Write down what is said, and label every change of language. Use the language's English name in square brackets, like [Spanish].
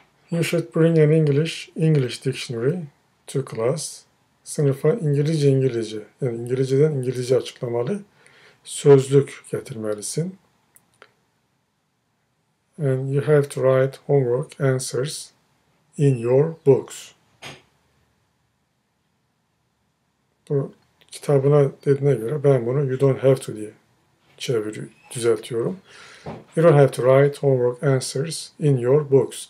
[English] You should bring an English dictionary to class. [Turkish] Sınıfa İngilizce, yani İngilizceden İngilizce açıklamalı sözlük getirmelisin. [English] And you have to write homework answers in your books. [Turkish] Bu kitabına dediğine göre ben bunu [English] you don't have to [Turkish] diye düzeltiyorum. [English] You don't have to write homework answers in your books.